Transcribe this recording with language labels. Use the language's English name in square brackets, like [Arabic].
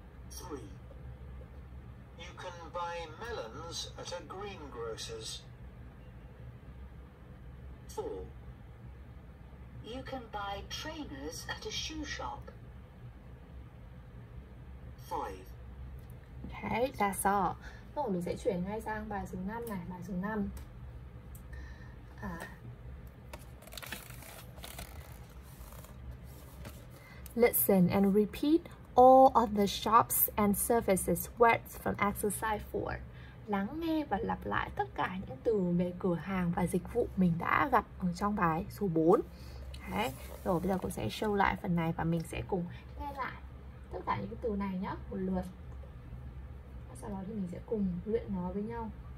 [English] 3. You can buy melons at a greengrocer's. 4. You can buy trainers at a shoe shop. 5. Okay, that's all. [Vietnamese] Rồi mình sẽ chuyển ngay sang bài số 5 này. Bài số 5. [English] Listen and repeat all of the shops and services words from exercise 4. [Vietnamese] Lắng nghe và lặp lại tất cả những từ về cửa hàng và dịch vụ mình đã gặp ở trong bài số 4. Okay. Rồi bây giờ cô sẽ show lại phần này và mình sẽ cùng nghe lại tất cả những từ này nhá, một lượt. Sau đó thì mình sẽ cùng luyện nó với nhau.